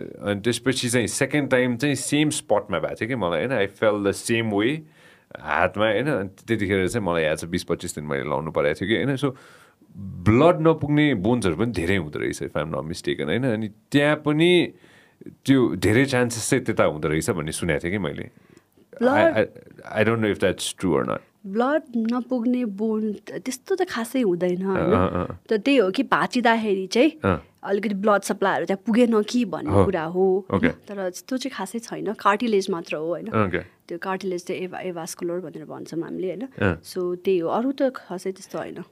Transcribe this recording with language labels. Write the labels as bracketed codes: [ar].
[ne] अनि त्यसपछि चाहिँ सेकेन्ड टाइम चाहिँ सेम स्पटमा भएको थियो कि मलाई होइन, [en] I feel the same way [ne] हातमा होइन. अनि त्यतिखेर चाहिँ मलाई याद छ 20-25 दिन मैले लाउनु परेको थियो कि होइन. सो ब्लड नपुग्ने बोन्सहरू पनि धेरै हुँदो रहेछ [en] if I am not mistaken [ne] होइन. अनि त्यहाँ पनि त्यो धेरै चान्सेस चाहिँ त्यता हुँदो रहेछ भन्ने सुनेको थिएँ कि मैले. [en] I don't know if that's true or not. [ne] Blood नपुग्ने बोन त्यस्तो त खासै हुँदैन होइन, त त्यही हो कि भाँचिँदाखेरि चाहिँ अलिकति ब्लड सप्लाईहरू त्यहाँ पुगेन कि भन्ने कुरा हो, तर त्यो चाहिँ खासै छैन, कार्टिलेज मात्र हो होइन. त्यो कार्टिलेज चाहिँ एभास्कुलर भनेर भन्छौँ हामीले होइन. सो त्यही हो, अरू त खासै त्यस्तो होइन.